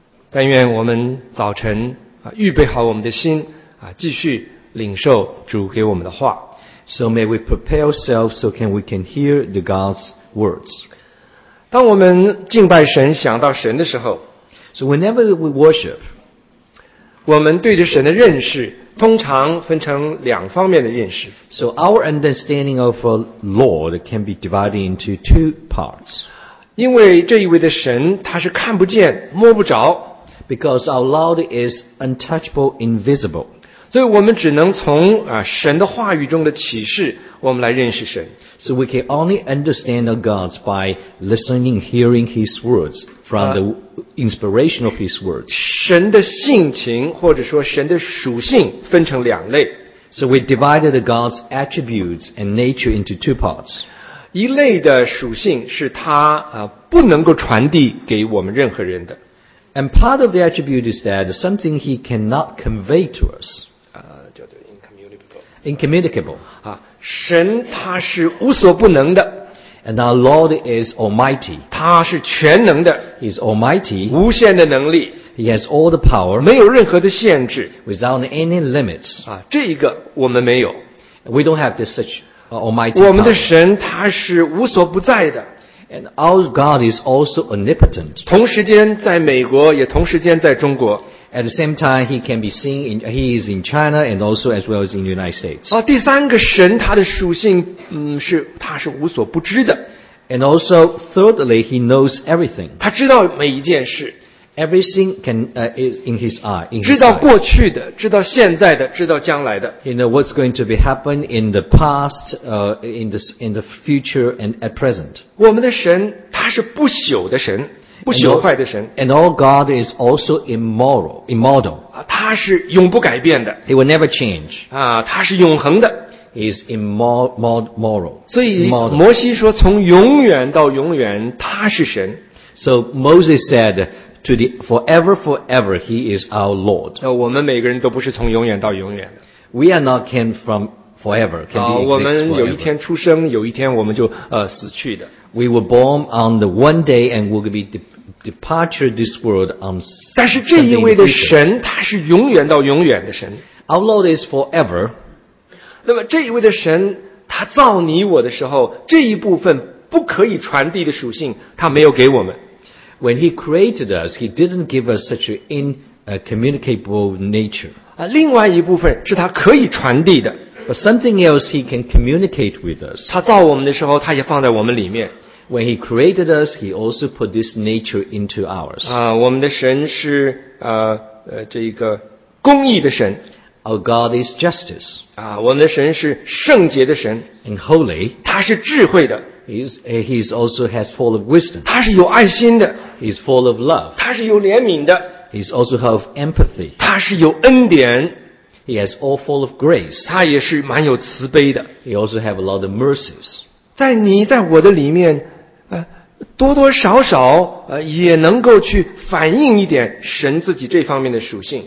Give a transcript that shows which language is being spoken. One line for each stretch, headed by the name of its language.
Chinese: 但愿我们早晨预备好我们的心继续领受主给我们的话。
English: So may we prepare ourselves so we can hear the God's words.
Chinese: 当我们敬拜神想到神的时候
English: So whenever we worship,
Chinese: 我们对着神的认识通常分成两方面的认识。
English: So our understanding of a Lord can be divided into two parts.
Chinese: 因为这一位的神他是看不见摸不着。
English: Because our Lord is untouchable, invisible.
Chinese: 所以我们只能从神的话语中的启示我们来认识神。
English: So we can only understand God by listening, hearing His words from the inspiration of His words.
Chinese: 神的性情或者说神的属性分成两类。
English: So we divided God's attributes and nature into two parts.
Chinese: 一类的属性是他不能够传递给我们任何人的。
English: And part of the attribute is that something he cannot convey to us.
Chinese: Incommunicable. 神他是无所不能的。
English: And our Lord is almighty.
Chinese: 他是全能的。
English: He is almighty.
Chinese: 无限的能力。
English: He has all the power.
Chinese: 没有任何的限制。
English: Without any limits.
Chinese: 这一个我们没有。
English: We don't have this such almighty power.
Chinese: 我们的神他是无所不在的。
English: And our God is also omnipotent.
Chinese: 同时间在美国也同时间在中国。
English: At the same time, he is in China and also as well as in the United States.
Chinese: 第三个神他的属性是他是无所不知的。
English: And also, thirdly, he knows everything.
Chinese: 他知道每一件事。
English: Everything is in his eye.
Chinese: 知道过去的，知道现在的，知道将来的。
English: He knows what's going to be happen in the past, in the future, and at present.
Chinese: 我们的神，他是不朽的神，不朽坏的神。
English: And all God is also immortal.
Chinese: 他是永不改变的。
English: He will never change.
Chinese: 他是永恒的。
English: He is immortal.
Chinese: 所以摩西说，从永远到永远，他是神。
English: So Moses said. To the forever, He is our Lord.
Chinese: 我们每个人都不是从永远到永远的。
English: We are not came from forever. Can be exist forever.
Chinese: 我们有一天出生，有一天我们就死去的。
English: We were born on the one day and will be departure this world on.
Chinese: 但是这一位的神，他是永远到永远的神。
English: Our Lord is forever.
Chinese: 那么这一位的神，他造你我的时候，这一部分不可以传递的属性，他没有给我们。
English: When he created us, he didn't give us such an incommunicable nature.
Chinese: 另外一部分是他可以传递的。
English: But something else he can communicate with us.
Chinese: 他造我们的时候，他也放在我们里面。
English: When he created us, he also put this nature into ours.
Chinese: 我们的神是这个公义的神。
English: Our God is justice.
Chinese: 我们的神是圣洁的神。
English: And holy.
Chinese: 他是智慧的。
English: He's also has full of wisdom.
Chinese: 他是有爱心的。
English: He's full of love.
Chinese: 他是有怜悯的。
English: He's also have empathy.
Chinese: 他是有恩典。
English: He has all full of grace.
Chinese: 他也是蛮有慈悲的。
English: He also have a lot of mercies.
Chinese: 在你在我的里面，多多少少也能够去反映一点神自己这方面的属性。